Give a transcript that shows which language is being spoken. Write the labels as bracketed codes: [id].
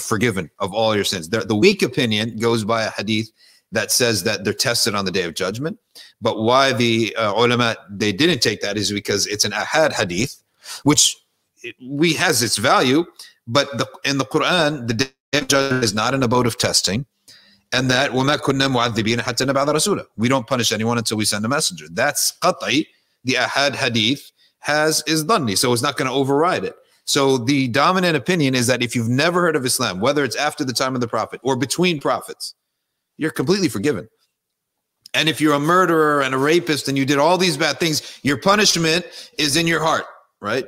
[en] You're forgiven of all your sins. The weak opinion goes by a hadith that says that they're tested on the Day of Judgment. But why the ulama, they didn't take that is because it's an ahad hadith, which has its value. But in the Quran, the Day of Judgment is not an abode of testing. And that [ar] وَمَا كُنَّا مُعَذِّبِينَ حَتَّى نَبْعَثَ رَسُولًا. [en] We don't punish anyone until we send a messenger. That's قطعي. The ahad hadith is dhanni. So it's not going to override it. So the dominant opinion is that if you've never heard of Islam, whether it's after the time of the prophet or between prophets, you're completely forgiven. And if you're a murderer and a rapist and you did all these bad things, your punishment is in your heart, right?